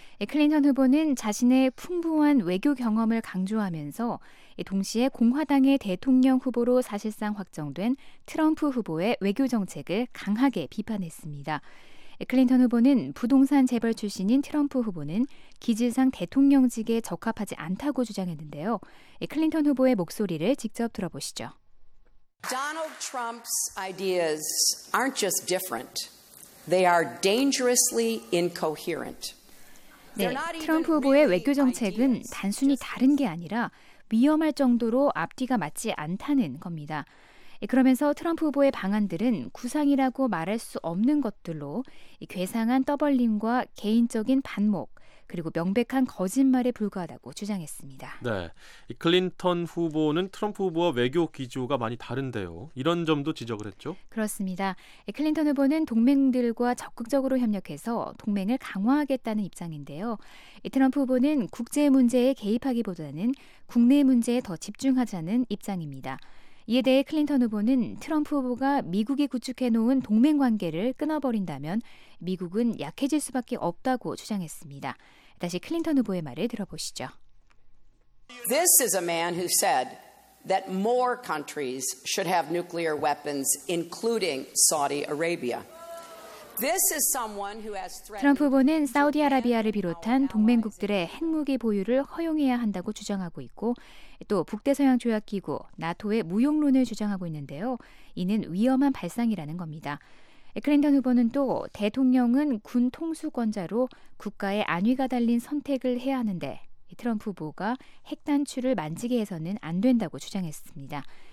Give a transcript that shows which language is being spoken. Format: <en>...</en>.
<ko>클린턴 후보는 자신의 풍부한 외교 경험을 강조하면서 동시에 공화당의 대통령 후보로 사실상 확정된 트럼프 후보의 외교 정책을 강하게 비판했습니다. 클린턴 후보는 부동산 재벌 출신인 트럼프 후보는 기질상 대통령직에 적합하지 않다고 주장했는데요. 클린턴 후보의 목소리를 직접 들어보시죠.</ko> <en>Donald Trump's ideas aren't just different. They are dangerously incoherent.</en> <ko>네, 트럼프 후보의 외교 정책은 단순히 다른 게 아니라 위험할 정도로 앞뒤가 맞지 않다는 겁니다. 그러면서 트럼프 후보의 방안들은 구상이라고 말할 수 없는 것들로 괴상한 떠벌림과 개인적인 반목, 그리고 명백한 거짓말에 불과하다고 주장했습니다. 네, 클린턴 후보는 트럼프 후보와 외교 기조가 많이 다른데요. 이런 점도 지적을 했죠? 그렇습니다. 클린턴 후보는 동맹들과 적극적으로 협력해서 동맹을 강화하겠다는 입장인데요. 트럼프 후보는 국제 문제에 개입하기보다는 국내 문제에 더 집중하자는 입장입니다. 이에 대해 클린턴 후보는 트럼프 후보가 미국이 구축해놓은 동맹관계를 끊어버린다면 미국은 약해질 수밖에 없다고 주장했습니다. 다시 클린턴 후보의 말을 들어보시죠.</ko> <en>This is a man who said that more countries should have nuclear weapons, including Saudi Arabia.</en> <ko>트럼프 후보는 사우디아라비아를 비롯한 동맹국들의 핵무기 보유를 허용해야 한다고 주장하고 있고 또 북대서양 조약기구 나토의 무용론을 주장하고 있는데요. 이는 위험한 발상이라는 겁니다. 클린턴 후보는 또 대통령은 군 통수권자로 국가의 안위가 달린 선택을 해야 하는데 트럼프 후보가 핵단추를 만지게 해서는 안 된다고 주장했습니다.</ko>